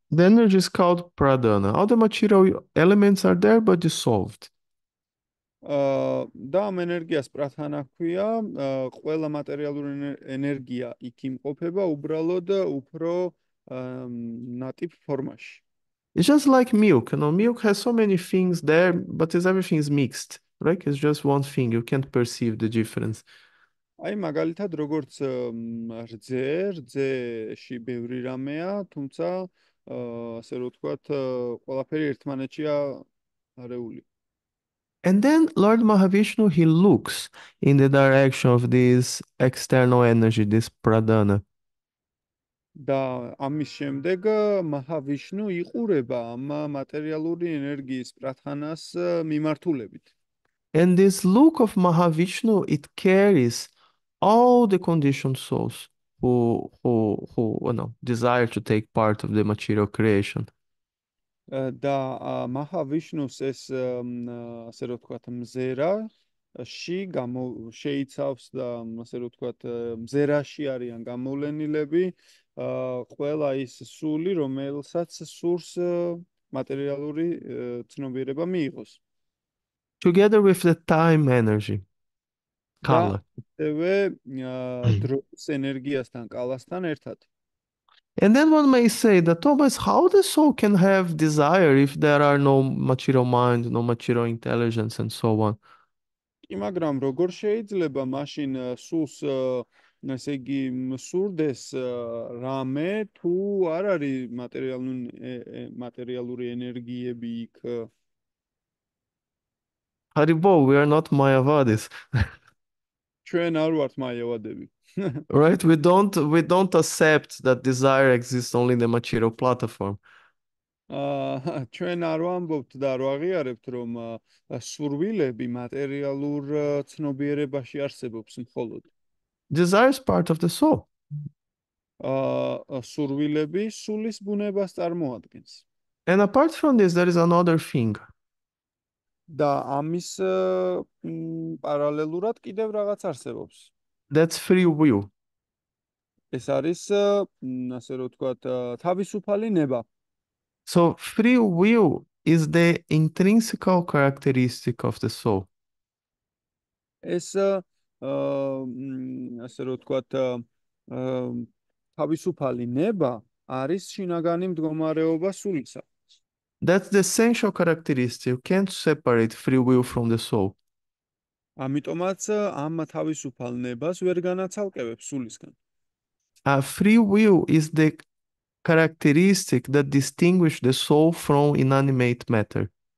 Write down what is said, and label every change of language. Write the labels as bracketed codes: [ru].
[en] The energy is called pradana. All the material elements are there, but dissolved. [ka] და ამ ენერგიას პრათანა ჰქვია, ყველა მატერიალური ენერგია იქ იმყოფება უბრალოდ უფრო ნატიფ ფორმაში. [en] It's just like milk. You know, milk has so many things there, but everything is mixed, right? It's just one thing. You can't perceive the difference. [ka] აი მაგალითად როგორც რძეში ბევრი რამეა, თუმცა ასე რომ ვთქვათ, ყველაფერი ერთმანეთშია არეული. [en] And then Lord Mahavishnu, he looks in the direction of this external energy, this pradana. [ka] და ამის შემდეგ მაჰავიშნუ იყურება ამ მატერიალური ენერგიის პრათანას მიმართულებით. [en] And this look of Mahavishnu, it carries all the conditioned souls who you know, desire to take part of the material creation. [ka] და მაჰავიშნუს ეს ასე რომ ვთქვათ მზერა ში გამო შეიცავს და ასე რომ ვთქვათ მზერაში არიან გამოვლენილები ყველა ის სული, რომელსაც სურს მატერიალური ცნობიერება მიიღოს. [en] Together with the time energy, [ka] და [en] Kala. [ka] ასევე დროს ენერგიასთან, კალასთან ერთად. [en] And then one may say that, Thomas, how the soul can have desire if there are no material mind, no material intelligence, and so on? [ka] მაგრამ როგორ შეიძლება მაშინ სულს, ესე იგი, სურდეს რამე თუ არ არის მატერიალური ენერგიები იქ? [en] Haribo, we are not Mayavadis. [ka] ჩვენ არ ვართ მაიავადები. [en] Right? We don't accept that desire exists only in the material platform. [ka] ჩვენ არ ვამბობთ და არ ვაღიარებთ, რომ სურვილები მატერიალურ ცნობიერებაში არსებობს მხოლოდ. [en] Desire is part of the soul. [ka] სურვილები სულის ბუნებას წარმოადგენს. [en] And apart from this, there is another thing. [ka] და ამის პარალელურად კიდევ რაღაც არსებობს. [en] That's free will. [ka] ეს არის, ასე რომ ვთქვათ, თავისუფალი ნება. [en] So free will is the intrinsic characteristic of the soul. [ka] ეს ასე რომ ვთქვათ, თავისუფალი ნება არის შინაგანი მდგომარეობა სულისა. [en] That's the essential characteristic. You can't separate free will from the soul. [ka] ამიტომაც ამ თავისუფალ ნებას ვერ განაცალკევებს სულისგან. [en] Free will is the characteristic that distinguishes the soul from inanimate matter.